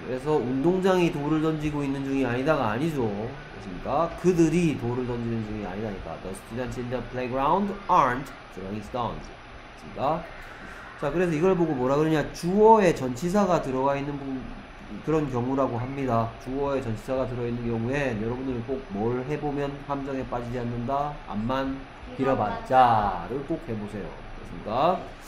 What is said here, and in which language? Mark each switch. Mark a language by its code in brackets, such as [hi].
[ko] 그래서 운동장이 돌을 던지고 있는 중이 아니다가 아니죠. 그렇습니까? 그들이 돌을 던지는 중이 아니다니까. [en] The students in the playground aren't throwing stones. [ko] 그렇습니까? 자, 그래서 이걸 보고 뭐라 그러냐. 주어에 전치사가 들어가 있는 그런 경우라고 합니다. 주어에 전치사가 들어있는 경우에 여러분들은 꼭뭘 해보면 함정에 빠지지 않는다? 암만 길어봤자를 꼭 해보세요. 그렇습니까?